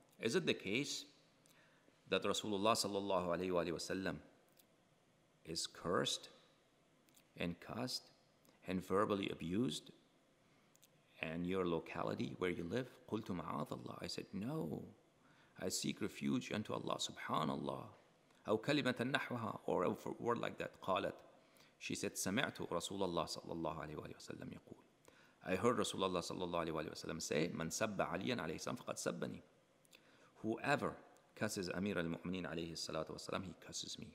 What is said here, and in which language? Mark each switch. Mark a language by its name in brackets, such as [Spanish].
[English] Is it the case that Rasulullah [Arabic] sallallahu alayhi wa sallam [English] is cursed and cussed and verbally abused in your locality where you live? [Arabic] قُلْتُ مَعَاذَ اللَّهِ. [English] I said, no, I seek refuge unto Allah, subhanallah. [Arabic] أو كلمة نحوها, [English] or a word like that. [Arabic] قالت, [English] she said, [Arabic] سمعت رسول الله صلى الله عليه وآله وسلم يقول, [English] I heard [Arabic] رسول الله صلى الله عليه وآله وسلم say, من سب عليا عليه السلام فقد سبني. [English] Whoever curses أمير المؤمنين [Arabic] عليه الصلاة والسلام, [English] he curses me.